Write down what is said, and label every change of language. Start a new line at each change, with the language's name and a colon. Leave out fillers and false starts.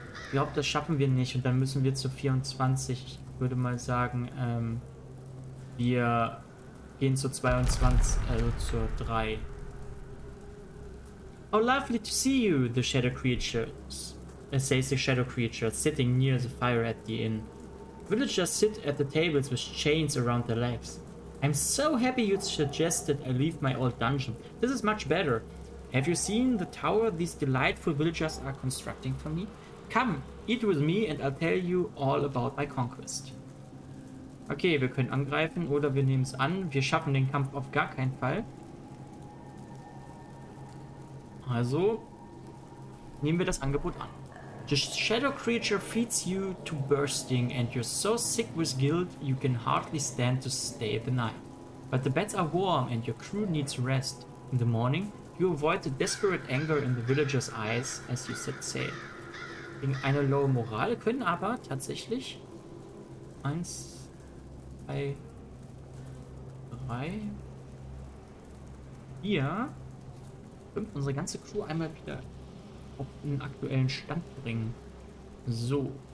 German: Glaube, das schaffen wir nicht und dann müssen wir zu 24. Ich würde mal sagen, wir gehen zu 22, also zur 3.
English: Oh, lovely to see you, the shadow creatures. It says the shadow creature sitting near the fire at the inn. Villagers sit at the tables with chains around their legs. I'm so happy you suggested I leave my old dungeon. This is much better. Have you seen the tower these delightful villagers are constructing for me? Come, eat with me and I'll tell you all about my conquest.
German: Okay, wir können angreifen oder wir nehmen es an. Wir schaffen den Kampf auf gar keinen Fall. Also nehmen wir das Angebot an.
English: The shadow creature feeds you to bursting and you're so sick with guilt you can hardly stand to stay the night. But the beds are warm and your crew needs rest. In the morning, you avoid the desperate anger in the villagers' eyes as you set sail.
German: Gegen eine low Moral können aber tatsächlich 1, 2, 3, 4, 5 unsere ganze Crew einmal wieder auf den aktuellen Stand bringen. So.